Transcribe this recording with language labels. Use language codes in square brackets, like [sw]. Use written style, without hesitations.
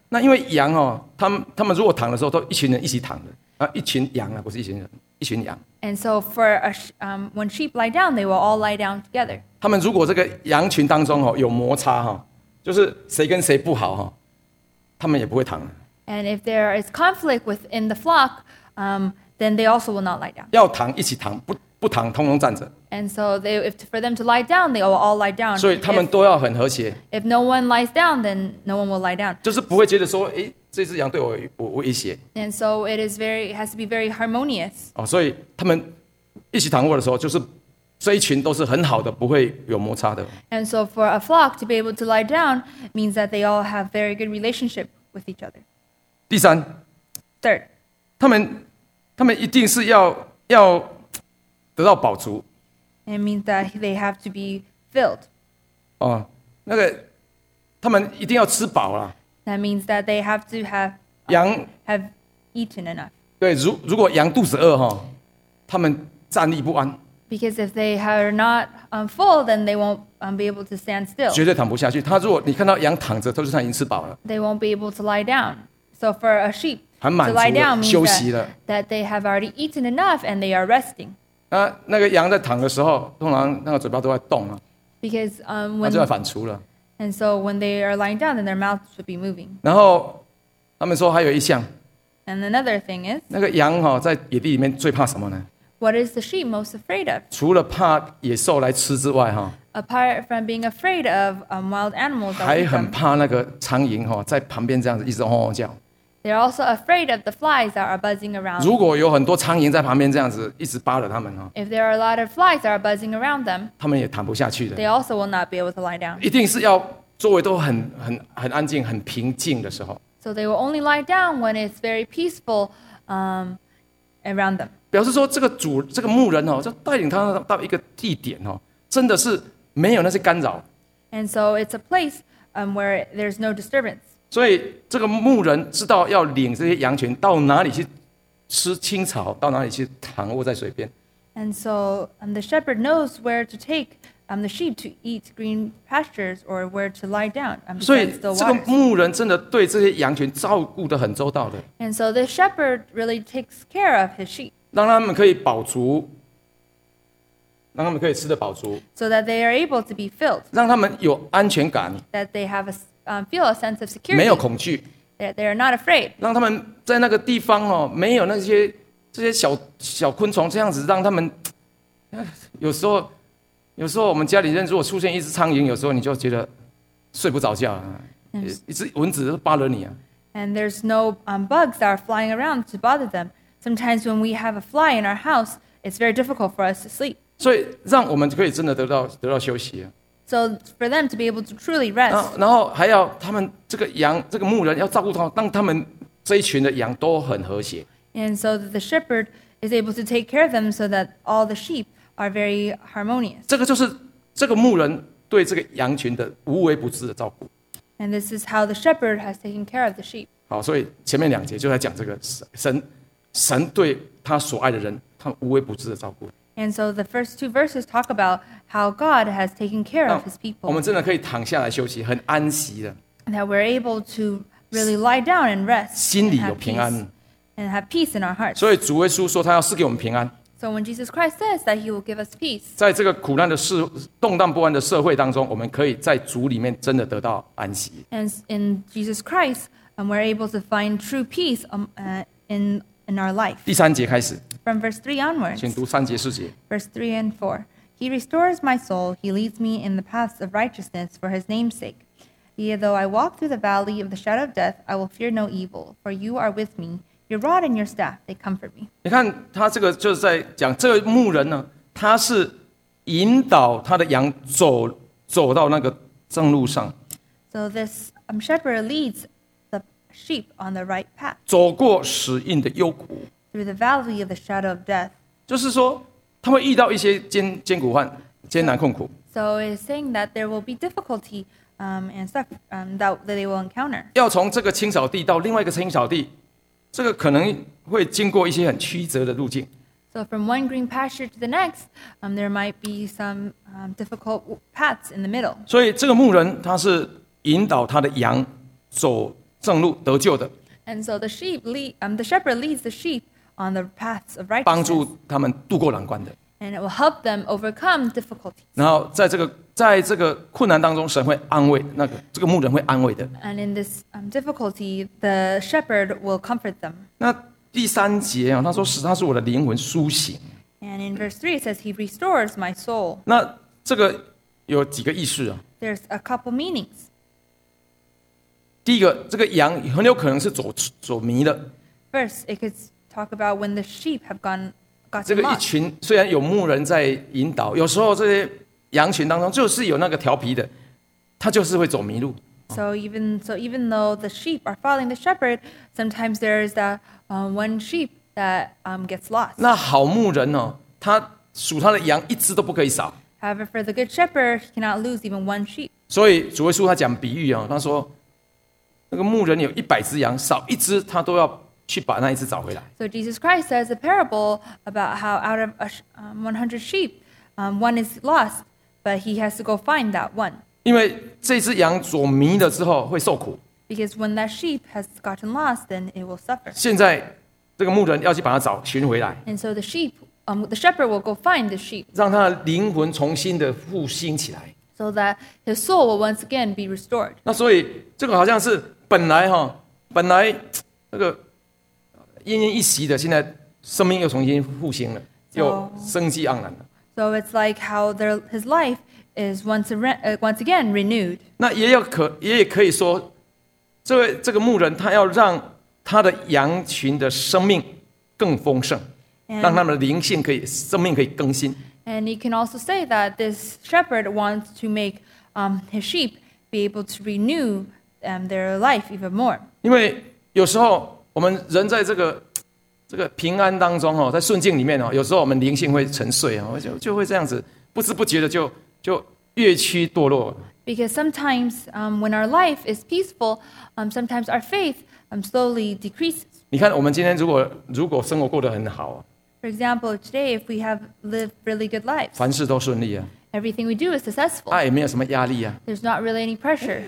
[zh] 那因为羊哦，他们如果躺的时候，都一群人一起躺的啊，一群羊啊，不是一群人，一群羊。 [en] And so, for when sheep lie down, they will all lie down together. [zh] 他们如果这个羊群当中哦有摩擦哈，就是谁跟谁不好哈，他们也不会躺。 [en] And if there is conflict within the flock, then they also will not lie down. [zh] 要躺一起躺不。不躺，通通站着。 [en] And so, for them to lie down, they will all lie down. [zh] 所以他们都要很和谐。 [en] If no one lies down, then no one will lie down. [zh] 就是不会觉得说，哎，这只羊对我威胁。 [en] And so it is very, has to be very harmonious. [zh] 哦，所以他们一起躺卧的时候，就是这一群都是很好的，不会有摩擦的。 [en] And so for a flock to be able to lie down means that they all have very good relationship with each other. [zh] 第三 [en] ，Third， [zh] 他们一定是要得到饱足。 [en] It means that they have to be filled. [zh] 哦，那个他们一定要吃饱啊。 [en] That means that they have to have [zh] 羊 [en] have eaten enough. [zh] 对，如果羊肚子饿哈，他们站立不安。 [en] Because if they are not full, then they won't be able to stand still. [zh] 绝对躺不下去。他如果你看到羊躺着，都是他已经吃饱了。 [en] They won't be able to lie down. So for a sheep, [zh] 很满足了 [en] to lie down means [zh] 休息了 [en] that they have already eaten enough and they are resting. [zh] 那个羊在躺的时候，通常那个嘴巴都在动啊。 [en] Because when [zh] 它就在反刍了。 [en] And so when they are lying down, then their mouth should be moving. [zh] 然后他们说还有一项。 [en] And another thing is [zh] 那个羊哈在野地里面最怕什么呢？ [en] What is the sheep most afraid of? [zh] 除了怕野兽来吃之外 [en] Apart from being afraid of wild animals, [zh] 还很怕那个苍蝇在旁边这样子一直嗡嗡叫。 [en] They're also afraid of the flies that are buzzing around. [zh] 如果有很多苍蝇在旁边这样子一直扒着他们 [en] If there are a lot of flies that are buzzing around them, [zh] 他们也躺不下去的。 [en] They also will not be able to lie down. [zh] 一定是要周围都很安静、很平静的时候。 [en] So they will only lie down when it's very peaceful, around them. [zh] 表示说这个牧人就带领他到一个地点真的是没有那些干扰。 [en] And so it's a place where there's no disturbance. [zh] 所以这个牧人知道要领这些羊群到哪里去吃青草，到哪里去躺卧在水边。 [en] And so the shepherd knows where to take the sheep to eat green pastures or where to lie down. [zh] 所以这个牧人真的对这些羊群照顾得很周到的。 [en] And so the shepherd really takes care of his sheep. [zh] 让他们可以饱足，让他们可以吃得饱足 [en] ，so that they are able to be filled， [zh] 让他们有安全感 [en] ，that they have a feel a sense of security， [zh] 没有恐惧 [en] ，that they are not afraid， [zh] 让他们在那个地方没有那些小昆虫这样子让他们，有时候我们家里如果出现一只苍蝇，有时候你就觉得睡不着觉，一只蚊子扒了你啊 [en] ，and there's no bugs that are flying around to bother them。 Sometimes when we have a fly in our house, it's very difficult for us to sleep. [zh] 所以让我们可以真的得到休息。 [en] So for them to be able to truly rest. [zh] 然后还要他们这个羊，这个牧人要照顾他们，让他们这一群的羊都很和谐。 [en] And so the shepherd is able to take care of them so that all the sheep are very harmonious. [zh] 这个就是这个牧人对这个羊群的无微不至的照顾。 [en] And this is how the shepherd has taken care of the sheep. [zh] 好，所以前面两节就在讲这个神对他所爱的人，他无微不至的照顾。 [en] And so the first two verses talk about how God has taken care of His people. [zh] 我们真的可以躺下来休息，很安息的。 [en] That we're able to really lie down and rest. [zh] 心里有平安。 [en] And have peace in our hearts. [zh] 所以主耶稣说他要赐给我们平安。 [en] So when Jesus Christ says that He will give us peace. [zh] 在这个苦难的动荡不安的社会当中，我们可以在主里面真的得到安息。 [en] And in Jesus Christ, we're able to find true peace in our life. [zh] 第三节开始。 [en] From verse 3 onwards. [zh] 请读三节四节。 [en] Verse 3 and 4. He restores my soul. He leads me in the paths of righteousness for his name's sake. Yea, though I walk through the valley of the shadow of death, I will fear no evil. For you are with me. Your rod and your staff, they comfort me. [zh] 你看他这个就是在讲这个牧人呢，他是引导他的羊走到那个正路上。 [en] So this shepherd leads sheep on the right path. [zh] 走过死荫的幽谷 [en] through the valley of the shadow of death. [zh] 就是说，他们遇到一些艰难困苦。 [en] So it's saying that there will be difficulty, and stuff, that they will encounter. [zh] 要从这个青草地到另外一个青草地，这个可能会经过一些很曲折的路径。 [en] So from one green pasture to the next, there might be some difficult paths in the middle. [zh] 所以这个牧人他是引导他的羊走正路得救的 [en] ，and so the sheep lead, the shepherd leads the sheep on the paths of righteousness， [zh] 帮助他们渡过难关的 [en] ，and it will help them overcome difficulties。 [zh] 然后在这个困难当中，神会安慰那个这个牧人会安慰的 [en] ，and in this difficulty, the shepherd will comfort them。 [zh] 那第三节他说使他是我的灵魂苏醒 [en] ，and in verse 3 it says he restores my soul。 [zh] 那这个有几个意思 [en] ？There's a couple meanings。 [zh] 第一个，这个羊很有可能是走迷了。 [en] First, it could talk about when the sheep have gone [zh] 这个一群虽然有牧人在引导，有时候这些羊群当中就是有那个调皮的，他就是会走迷路。 [en] So even though the sheep are following the shepherd, sometimes there is that one sheep that gets lost. [zh] 那好牧人哦，他数他的羊一只都不可以少。 [en] However, for the good shepherd, he cannot lose even one sheep. [zh] 所以主耶稣他讲比喻哦，他说那个牧人有一百只羊，少一只他都要去把那一只找回来。 [en] So Jesus Christ says a parable about how out of 100 sheep, one is lost, but he has to go find that one. [zh] 因为这只羊走迷了之后会受苦。 [en] Because when that sheep has gotten lost, then it will suffer. [zh] 现在这个牧人要去把它找寻回来。 [en] And so the shepherd will go find the sheep. [zh] 让他的灵魂重新的复兴起来。 [en] So that his soul will once again be restored. [zh] 那所以这个好像是本来哈，本来那个奄奄一息的，现在生命又重新复兴了，又生机盎然了。 [en] So it's like how his life is once again renewed. [zh] 那也可以说，这个牧人他要让他的羊群的生命更丰盛，让他们的灵性可以生命可以更新。 [en] And you can also say that this shepherd wants to make his sheep be able to renew their life even more. [zh] 因为有时候我们人在这个平安当中，在顺境里面，有时候我们灵性会沉睡，就会这样子不知不觉的就越趋堕落。 [en] Because sometimes when our life is peaceful, sometimes our faith slowly decreases. [zh] 你看我们今天如果生活过得很好， [en] For example, today if we have lived really good lives, [zh] 凡事都顺利啊。 [en] Everything we do is successful. [zh] 也没有什么压力啊。 [en] There's not really any pressure.